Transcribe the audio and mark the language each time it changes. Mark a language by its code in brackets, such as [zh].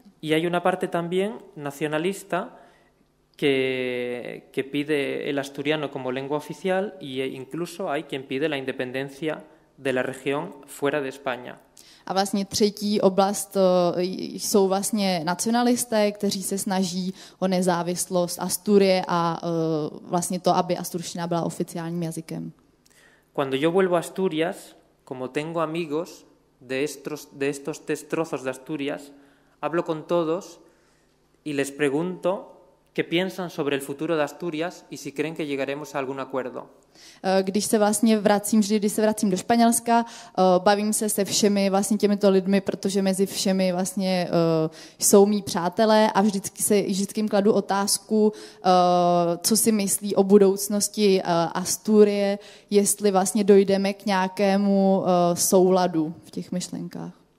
[es] Y hay una parte también nacionalista que pide el asturiano como lengua oficial y incluso hay quien pide la independencia de la región fuera de España. [cs] A vlastně třetí oblast jsou vlastně nacionalisté, kteří se snaží o nezávislost Asturie a vlastně to, aby asturština byla oficiálním jazykem. [es] Cuando yo vuelvo a Asturias, como tengo amigos de estos tres trozos de Asturias, hablo con todos y les pregunto qué piensan sobre el futuro de Asturias y si creen que llegaremos a algún acuerdo. [cs] Když se vlastně vracím, vždy, když se vracím do Španělska, bavím se všemi vlastně těmito lidmi, protože mezi všemi vlastně jsou mý přátelé a vždycky jim kladu otázku, co si myslí o budoucnosti Asturie, jestli vlastně dojdeme k nějakému souladu v těch myšlenkách.